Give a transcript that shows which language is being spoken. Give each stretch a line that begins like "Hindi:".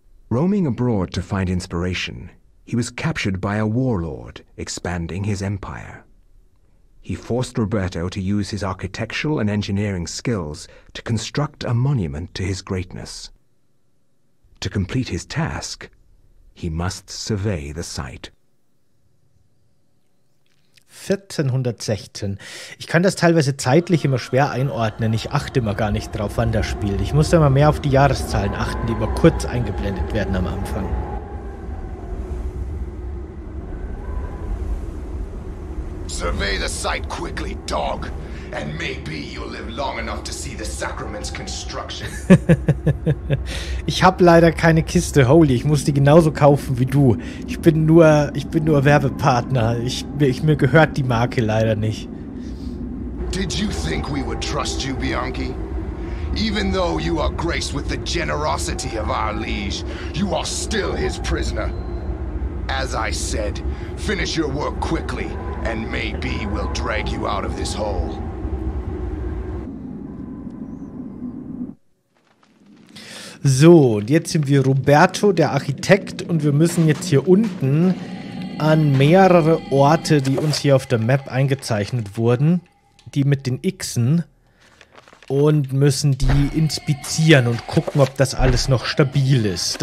English: Roaming abroad to find inspiration, he was captured by a warlord expanding his empire. He forced Roberto to use his architectural and engineering skills to construct a monument to his greatness. To complete his task, he must survey the site. 1416.
German: Ich kann das teilweise zeitlich immer schwer einordnen. Ich achte immer gar nicht drauf, wann das spielt. Ich muss da mal mehr auf die Jahreszahlen achten, die immer kurz eingeblendet werden am Anfang.
English: Survey the site quickly, dog. And maybe you'll live long enough to see the sacrament's construction.
German: Ich habe leider keine Kiste, holy, ich muss die genauso kaufen wie du. Ich bin nur Werbepartner. Mir gehört die Marke leider nicht.
English: Did you think we would trust you, Bianchi? Even though you are graced with the generosity of our liege, you are still his prisoner. As I said, finish your work quickly and maybe we'll drag you out of this hole.
German: So, und jetzt sind wir Roberto, der Architekt, und wir müssen jetzt hier unten an mehrere Orte, die uns hier auf der Map eingezeichnet wurden, die mit den X'en, und müssen die inspizieren und gucken, ob das alles noch stabil ist.